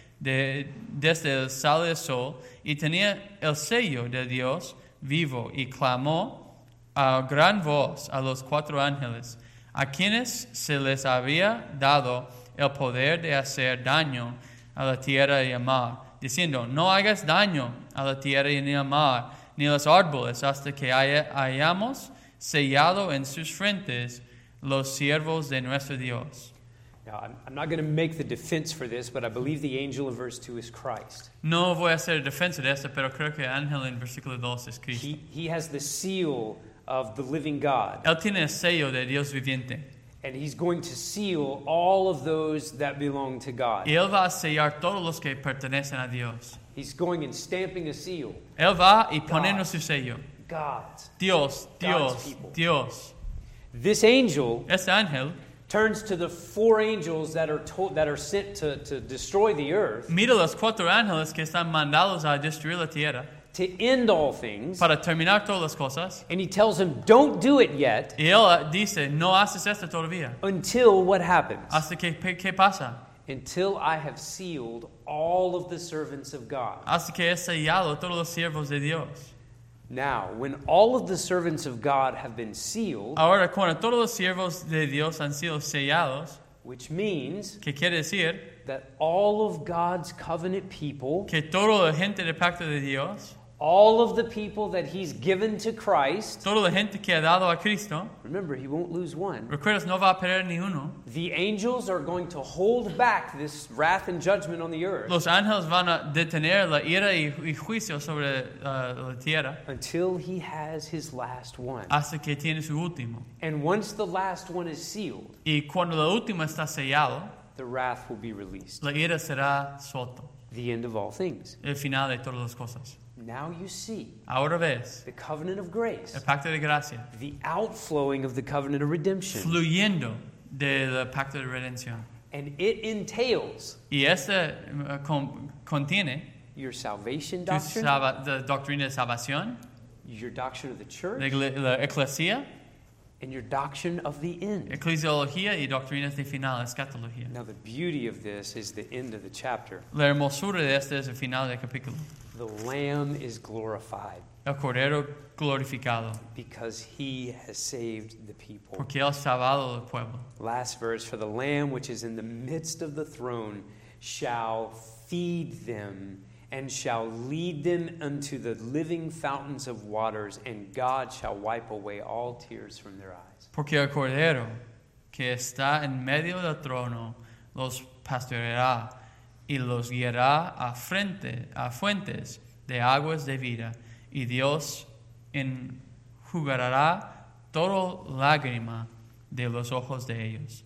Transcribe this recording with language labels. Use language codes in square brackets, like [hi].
[es] desde el sale del sol y tenía el sello de Dios vivo y clamó a gran voz a los cuatro ángeles a quienes se les había dado el poder de hacer daño a la tierra y al mar, diciendo, no hagas daño a la tierra y ni al mar, ni a los árboles, hasta que hayamos sellado en sus frentes los siervos de nuestro Dios. [en] Now, I'm not going to make the defense for this, but I believe the angel in verse 2 is Christ. [es] No voy a hacer defensa de esto, pero creo que el ángel en versículo 2 es Cristo. [en] He has the seal of the living God. [es] Él tiene el sello de Dios viviente. [en] And he's going to seal all of those that belong to God. [es] Y él va a sellar todos los que pertenecen a Dios. [en] He's going and stamping a seal. [es] Él va y poniendo su sello. [en] God's. [es] Dios, Dios, God's Dios. [en] This angel. [es] Este ángel. [en] Turns to the four angels that are told, that are sent to destroy the earth. [es] Mira los cuatro ángeles que están mandados a destruir la tierra. [en] To end all things. [es] Para terminar todas las cosas. [en] And he tells them, don't do it yet. [es] Y él dice, no haces esto todavía. [en] Until what happens? [es] Hasta que pasa. [en] Until I have sealed all of the servants of God. [es] Hasta que he sellado todos los siervos de Dios. [en] Now, when all of the servants of God have been sealed, [es] ahora, cuando todos los siervos de Dios han sido sellados, [en] which means [es] que quiere decir [en] that all of God's covenant people, [es] que toda la gente del pacto de Dios, [en] all of the people that he's given to Christ, [es] toda la gente que ha dado a Cristo, [en] remember, he won't lose one. [es] Recuerdas, no va a perder ni uno. [en] The angels are going to hold back this wrath and judgment on the earth. [es] Los ángeles van a detener la ira y juicio sobre la tierra. [en] Until he has his last one. [es] Hasta que tiene su último. [en] And once the last one is sealed, [es] y cuando la última está sellado, [en] the wrath will be released. [es] La ira será suelta. [en] The end of all things. [es] El final de todas las cosas. [en] Now you see [es] ahora ves [en] the covenant of grace, [es] el pacto de gracia, [en] the outflowing of the covenant of redemption, [es] fluyendo del pacto de redención, [en] and it entails, [es] y esta contiene [en] your salvation doctrine, [es] the doctrina de salvación, [en] your doctrine of the church, [es] la eclesia, [en] and your doctrine of the end, [es] eclesiología y doctrinas de final, escatología. [en] Now the beauty of this is the end of the chapter. [es] La hermosura de este es el final del capítulo. [en] The Lamb is glorified. [es] El Cordero glorificado. [en] Because he has saved the people. [es] Porque él ha salvado el pueblo. [en] Last verse, for the Lamb which is in the midst of the throne shall feed them and shall lead them unto the living fountains of waters, and God shall wipe away all tears from their eyes. [es] Porque el Cordero que está en medio del trono los pastoreará. Y los guiará a fuentes de aguas de vida. Y Dios enjugará toda lágrima de los ojos de ellos.